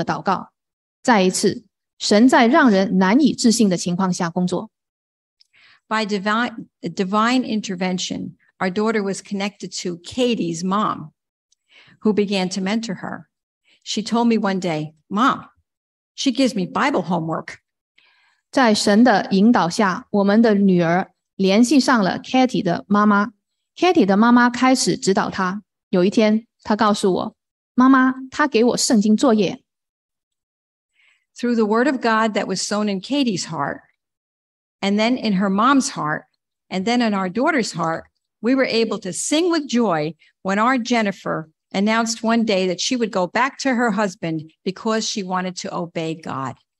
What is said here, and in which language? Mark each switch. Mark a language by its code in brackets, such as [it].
[zh] 20年之后,我们自己的女儿结婚7年之后,离开了丈夫9个月。他们处于离婚的边缘,我们心痛不已,不住地祷告。再一次, 神在让人难以置信的情况下工作。 [en] By divine intervention, our daughter was connected to Katie's mom, who began to mentor her. She told me one day, "Mom, she gives me Bible homework." [zh] 在神的引导下,我们的女儿联系上了Katie的妈妈。Katie的妈妈开始指导她。有一天,她告诉我,妈妈,她给我圣经作业。 [en] Through the word of God that was sown in Katie's heart, and then in her mom's heart, and then in our daughter's heart, we were able to sing with joy when our Jennifer announced one day that she would go back to her husband because she wanted to obey God.